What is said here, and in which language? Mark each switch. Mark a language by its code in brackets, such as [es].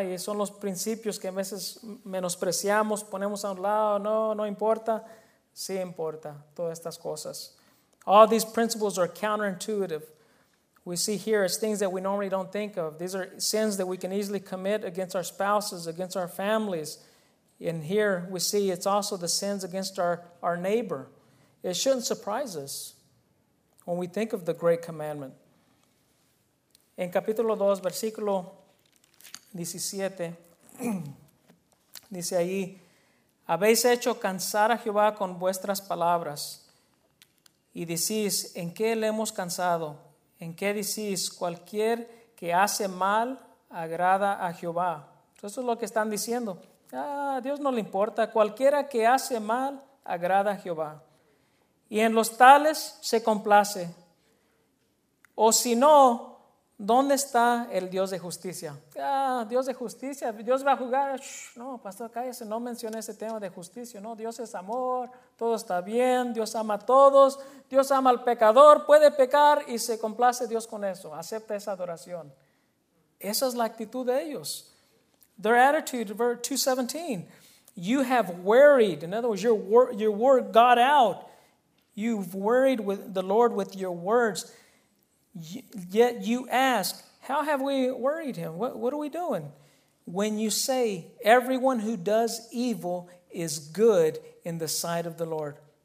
[es] Y son los principios que a veces menospreciamos, ponemos a un lado, no importa. Sí importa, todas estas cosas. [en] All these principles are counterintuitive. We see here as things that we normally don't think of. These are sins that we can easily commit against our spouses, against our families. And here we see it's also the sins against our neighbor. It shouldn't surprise us when we think of the great commandment. [es] En capítulo 2, versículo 17, dice ahí, habéis hecho cansar a Jehová con vuestras palabras. Y decís, ¿en qué le hemos cansado? ¿En qué decís? Cualquier que hace mal agrada a Jehová. Entonces, eso es lo que están diciendo. A Dios no le importa. Cualquiera que hace mal agrada a Jehová. y en los tales se complace. O si no, ¿dónde está el Dios de justicia? Ah, Dios de justicia, Dios va a jugar. Shh, no, pastor, cállese, no mencione ese tema de justicia. No, Dios es amor, todo está bien, Dios ama a todos, Dios ama al pecador, puede pecar y se complace Dios con eso, acepta esa adoración. Esa es la actitud de ellos. [en] Their attitude, verse 2:17. You have wearied, in other words, your word got out. You've wearied with the Lord with your words. Yet you ask, how have we worried him? What are we doing? When you say, everyone who does evil is good in the sight of the Lord.